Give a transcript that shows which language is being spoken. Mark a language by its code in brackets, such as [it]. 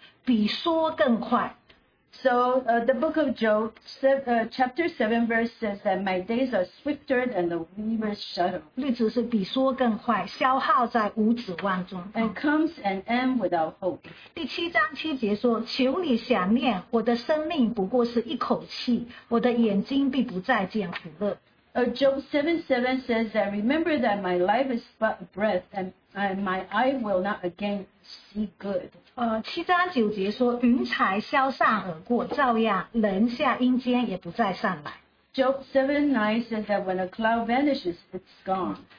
[zh] 约伯记那里，我很快读一下，7章6节那里他说到人生短暂，他说我的日子比梭更快。 [en] So the book of Job, chapter 7, verse says that my days are swifter than the weaver's shuttle. [zh] 日子是比梭更快，消耗在五指万中。 [en] And comes and ends without hope. [zh] 第7章7节说，求你想念，我的生命不过是一口气，我的眼睛必不再见苦乐。 [en] Job 7:7 says that remember that my life is but breath, and my eye will not again see good. [zh] 7章9节说，云彩消散而过，照样人下阴间也不再上来。 [en] Job 7:9 says that when a cloud vanishes, it's gone.